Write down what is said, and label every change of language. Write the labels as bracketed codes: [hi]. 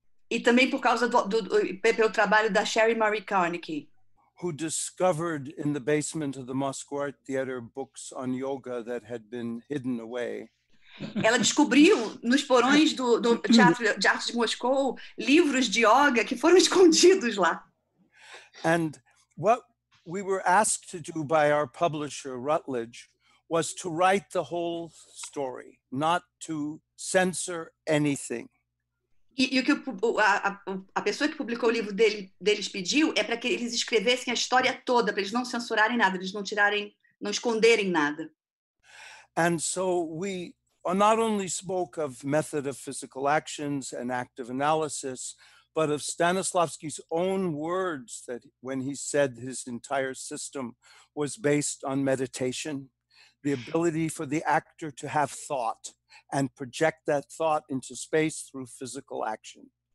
[pt] E também por causa pelo trabalho da Sharon Marie Carnegie. [en] Who discovered in the basement of the Moscow Art Theater books on yoga that had been hidden away. [pt] Ela descobriu nos porões do Teatro de Arte de Moscou livros de yoga que foram escondidos lá. [en] And what we were asked to do by our publisher, Routledge, was to write the whole story, not to censor anything. [pt] E o que a pessoa que publicou o livro deles pediu é para que eles escrevessem a história toda, para eles não censurarem nada, eles não esconderem nada. [en] And so we not only spoke of method of physical actions and active analysis, but of Stanislavski's own words that when he said his entire system was based on meditation, the ability for the actor to have thought and project that thought into space through physical action.